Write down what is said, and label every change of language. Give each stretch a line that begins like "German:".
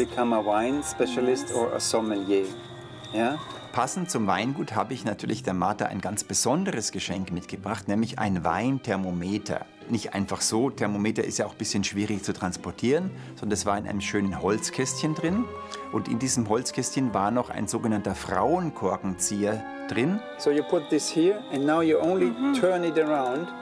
English: You become a wine specialist or a sommelier. Yeah?
German: Passend zum Weingut habe ich natürlich der Martha ein ganz besonderes Geschenk mitgebracht, nämlich ein Weinthermometer. nicht einfach so. Thermometer ist ja auch ein bisschen schwierig zu transportieren, sondern es war in einem schönen Holzkästchen drin. Und in diesem Holzkästchen war noch ein sogenannter Frauenkorkenzieher drin.
English: So you put this here and now you only turn it around.